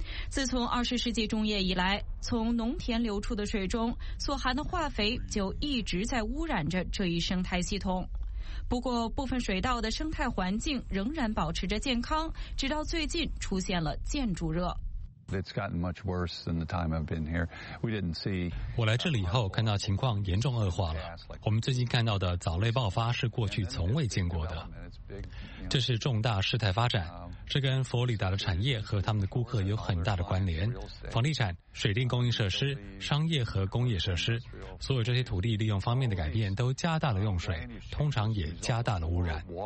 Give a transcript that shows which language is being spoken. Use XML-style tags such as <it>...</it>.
<zh>自从20世纪中叶以来，从农田流出的水中所含的化肥就一直在污染着这一生态系统。不过部分水道的生态环境仍然保持着健康，直到最近出现了箭猪热。</zh> <en>It's gotten much worse than the time I've been here. We didn't see.</en> <zh>我来这里以后看到情况严重恶化了。我们最近看到的藻类爆发是过去从未见过的。这是重大事态发展，这跟佛罗里达的产业和他们的顾客有很大的关联。房地产、水电供应设施、商业和工业设施，所有这些土地利用方面的改变都加大了用水，通常也加大了污染。</zh>